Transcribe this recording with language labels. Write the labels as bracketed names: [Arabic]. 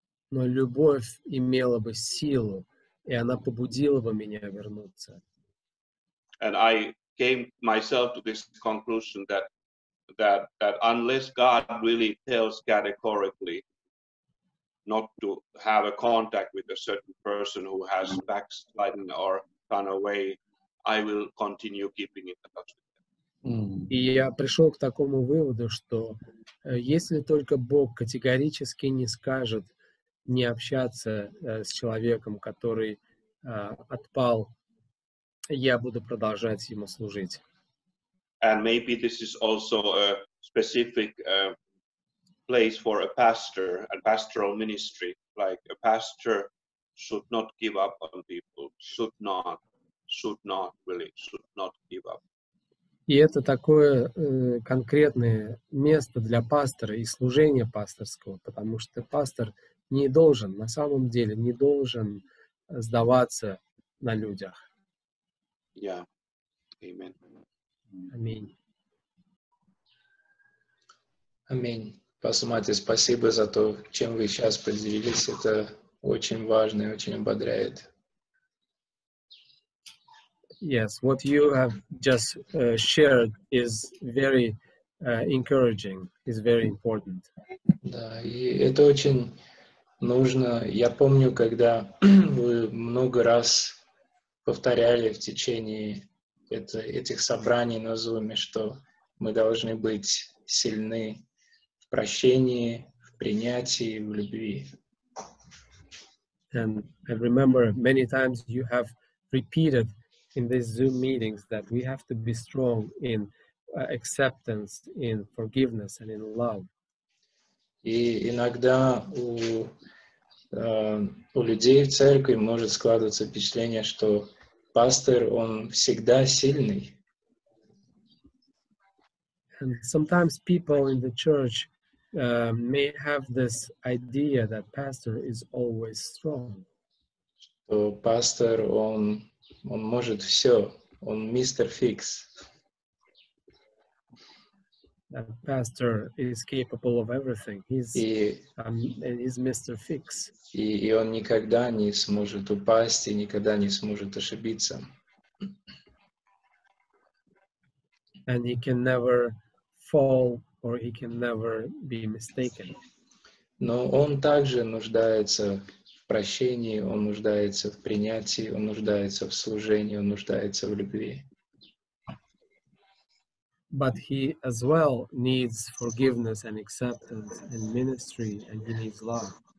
[Russian] Но любовь имела бы силу, и она побудила бы меня вернуться. [English] And I came myself to this conclusion that unless God really tells categorically not to have a contact with a certain person who has backslidden or gone away, I will continue keeping in touch with them. [Russian] И я пришел к такому выводу, что если только Бог категорически не скажет не общаться с человеком, который отпал, я буду продолжать ему служить. [English] And maybe this is also a specific place for a pastor and pastoral ministry. Like a pastor should not give up on people, should not give up. [Russian] И это такое конкретное место для пастора и служения пасторского, потому что пастор не должен, на самом деле, не должен сдаваться на людях. [English] Yeah. Amen. [Russian] Аминь. Аминь. Пастор Мати, спасибо за то, чем вы сейчас поделились. Это очень важно и очень ободряет. [English] Yes, what you have just shared is very encouraging, is very important. [Russian] Да, и это очень нужно. Я помню, когда вы много раз повторяли в течение этих собраний на Zoom, что мы должны быть сильны в прощении, в принятии, в любви. [English] And I remember many times you have repeated in these Zoom meetings that we have to be strong in acceptance, in forgiveness and in love. [Russian] И иногда у людей в церкви может складываться впечатление, что пастор, он всегда сильный. [English] And sometimes people in the church may have this idea that pastor is always strong. [Russian] Что пастор, он может все, он мистер Фикс. [English] That pastor is capable of everything. He's Mr. Fix. [Russian] И он никогда не сможет упасть и никогда не сможет ошибиться. [English] And he can never fall or he can never be mistaken. [Russian] Но он также нуждается в прощении, он нуждается в принятии, он нуждается в служении, он нуждается в любви. [English] But he as well needs forgiveness and acceptance and ministry, and he needs love.